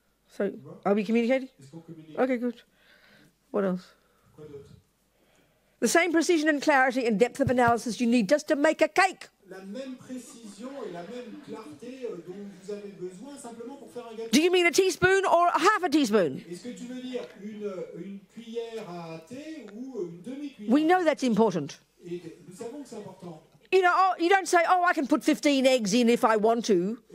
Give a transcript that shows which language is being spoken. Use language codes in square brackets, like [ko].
[en] So are we communicating? Okay, good. What else? The same precision and clarity and depth of analysis you need just to make a cake. [fr] La même précision et la même clarté dont vous avez besoin simplement pour faire un gâteau. [en] Do you mean a teaspoon or half a teaspoon? [fr] Est-ce que tu veux dire une cuillère à thé ou une demi-cuillère? [en] We know that's important. [fr] Et nous savons que c'est important. [en] You know, oh, you don't say, oh, I can put 15 eggs in if I want to.